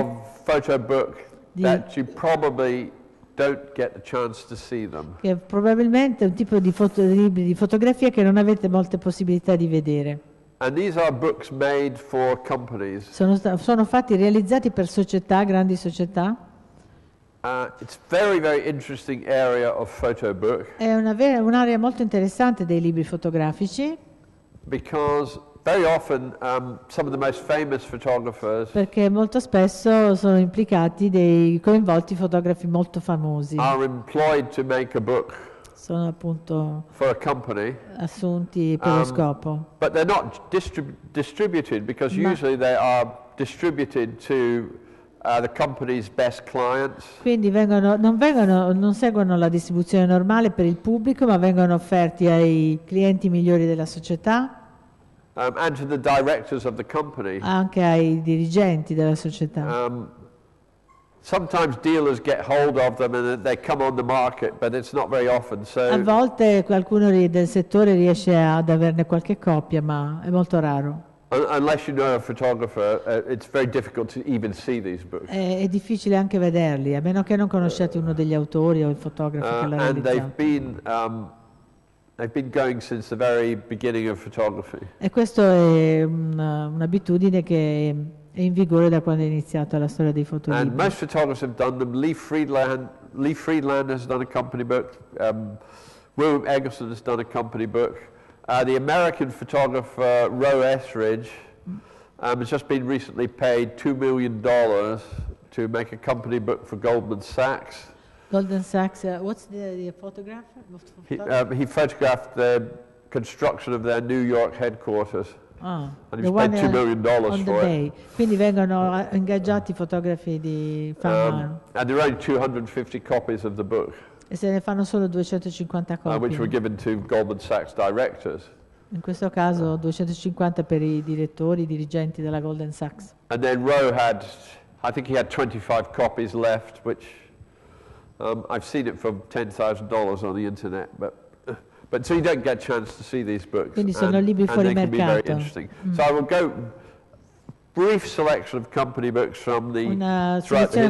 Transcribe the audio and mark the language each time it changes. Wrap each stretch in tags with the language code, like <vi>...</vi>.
<en>of photo book that you probably don't get the chance to see them.</en> <it>Che probabilmente è un tipo di foto di libri di fotografia che non avete molte possibilità di vedere.</it> <en>And these are books made for companies.</en> <it>Sono fatti realizzati per società, grandi società.</it> <en>It's very very interesting area of photo book.</en> <it>È un'area molto interessante dei libri fotografici.</it> <en>Because very often some of the most famous photographers</en> <it>perché molto spesso sono implicati dei coinvolti fotografi molto famosi</it> <en>are employed to make a book</en> <it>sono appunto</it> <en>for a company</en> <it>assunti per lo scopo</it> <en>but they're not distributed because usually they are distributed to the company's best clients</en> <it>quindi non seguono la distribuzione normale per il pubblico ma vengono offerti ai clienti migliori della società.</it> <en>And to the directors of the company.</en> <it>Anche ai dirigenti della società.</it> <en>Sometimes dealers get hold of them and they come on the market, but it's not very often. So</en> <it>a volte qualcuno del settore riesce ad averne qualche copia, ma è molto raro.</it> <en>Unless you know a photographer, it's very difficult to even see these books.</en> <it>È difficile anche vederli, a meno che non conosciate uno degli autori o il fotografo che l'ha realizzato.</it> <en>And they've been going since the very beginning of photography.</en> <it>E questo è un'abitudine che è in vigore da quando è iniziata la storia dei fotolibri.</it> <en>And most photographers have done them. Lee Friedland has done a company book. William Eggleston has done a company book. The American photographer Roe Etheridge has just been recently paid $2 million to make a company book for Goldman Sachs. Goldman Sachs, what's the photographer? He photographed the construction of their New York headquarters. Ah, and he spent $2 million for bay. It.</en> <it>Quindi vengono ingaggiati fotografi di fama.</it> <en>And there are only 250 copies of the book.</en> <it>E se ne fanno solo 250 copie.</it> <en>Which were given to Goldman Sachs directors.</en> <it>In questo caso 250 per i direttori, i dirigenti della Goldman Sachs.</it> <en>And then Roe had, I think he had 25 copies left, which I've seen it for $10,000 on the internet, but so you don't get a chance to see these books.</en> <it>Quindi sono libri fuori mercato.</it> <en>And they can be very interesting. Mm. So I will go brief selection of company books from the throughout the history</en>